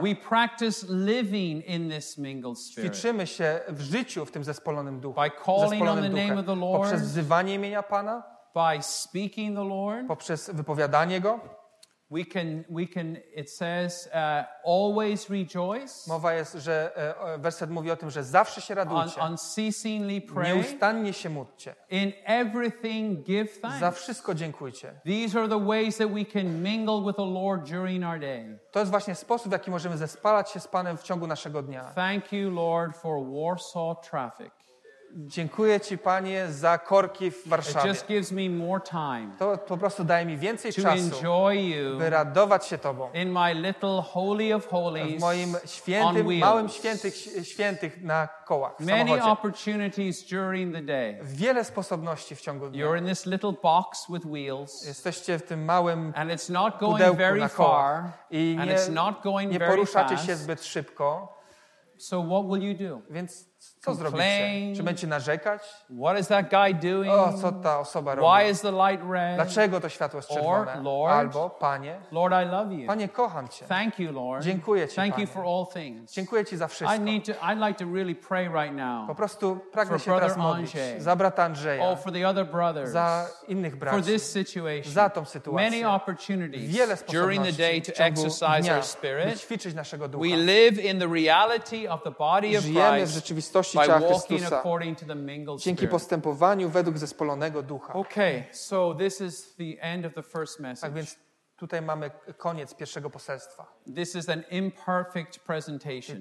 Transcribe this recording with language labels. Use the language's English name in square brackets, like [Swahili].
[English] we practice living in this mingled spirit, [Polish] ćwiczymy się w życiu w tym zespolonym duchu, [English] by calling on the name of the Lord, [Polish] poprzez wzywanie imienia Pana, [English] by speaking the Lord, [Polish] poprzez wypowiadanie go. [English] We can. It says, always rejoice. [Polish] Mowa jest, że werset mówi o tym, że zawsze się radujcie. [English] Unceasingly pray. [Polish] Nieustannie się módlcie. [English] In everything, give thanks. [Polish] Za wszystko dziękujcie. [English] These are the ways that we can mingle with the Lord during our day. [Polish] To jest właśnie sposób, w jaki możemy zespalać się z Panem w ciągu naszego dnia. [English] Thank you, Lord, for Warsaw traffic. [Polish] Dziękuję Ci, Panie, za korki w Warszawie. [English] It just gives me more time [Polish] to po prostu daje mi więcej [English] to [Polish] czasu, [English] enjoy you, [Polish] by radować się Tobą. [English] In my little holy of holies, [Polish] w moim świętym, małym świętych na kołach, w [English] many opportunities during the day. [Polish] Wiele sposobności w ciągu dnia. [English] You're in this little box with wheels, [Polish] jesteście w tym małym [English] and it's not going pudełku very [Polish] na kołach [English] far, [Polish] i nie, [English] and it's not going [Polish] nie poruszacie [English] very [Polish] się [English] fast. [Polish] Zbyt szybko. [English] So what will you do? [Polish] Więc co zrobicie? Czy będziecie narzekać? [English] What is that guy doing? [Polish] O, co ta osoba robi? [English] Why is the light red? [Polish] Dlaczego to światło jest czerwone? [English] Or, Lord, [Polish] albo Panie. [English] Lord, I love you. [Polish] Panie, kocham Cię. [English] Thank you, Lord. [Polish] Dziękuję Ci, [English] thank [Polish] Panie. [English] You for all things. [Polish] Dziękuję Ci za wszystko. [English] I'd like to really pray right now. [Polish] Po prostu pragnę się teraz modlić za brata Andrzeja. [English] Oh, for the other brothers. [Polish] Za innych braci. [English] For this situation. [Polish] Za tą sytuację. [English] Many opportunities. [Polish] Wiele sposobności [English] during the day to exercise our spirit. [Polish] Ćwiczyć naszego ducha. [English] We live in the reality of the body of Christ. [Polish] Żyjemy w rzeczywistości [English] by walking according to the mingled [Polish] dzięki [English] spirit. [Polish] Postępowaniu według zespolonego ducha. [English] Okay, so this is the end of the first message. [Polish] Tak więc tutaj mamy koniec pierwszego poselstwa. [English] This is an imperfect presentation.